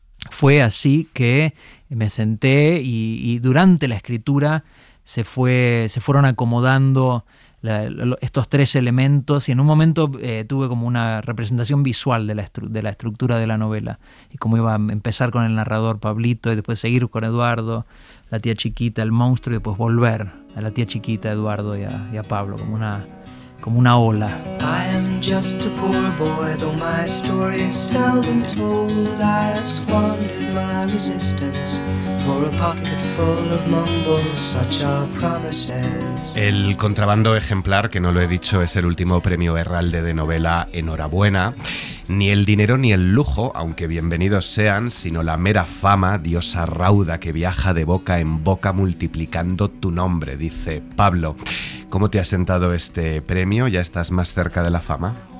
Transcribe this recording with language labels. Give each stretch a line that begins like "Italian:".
Spanish: Fue así que me senté y durante la escritura se fueron acomodando estos tres elementos, y en un momento tuve como una representación visual de la estructura de la novela y cómo iba a empezar con el narrador Pablito y después seguir con Eduardo, la tía chiquita, el monstruo, y después volver a la tía chiquita, Eduardo y a Pablo, como una ola.
English: I am just a poor boy, though my story is seldom told. I squandered my resistance for a pocket full of mumbles, such are promises.
Spanish: El contrabando ejemplar, que no lo he dicho, es el último premio Herralde de novela. Enhorabuena. Ni el dinero ni el lujo, aunque bienvenidos sean, sino la mera fama, diosa rauda que viaja de boca en boca multiplicando tu nombre, dice Pablo. ¿Cómo te ha sentado este premio? ¿Ya estás más cerca de la fama?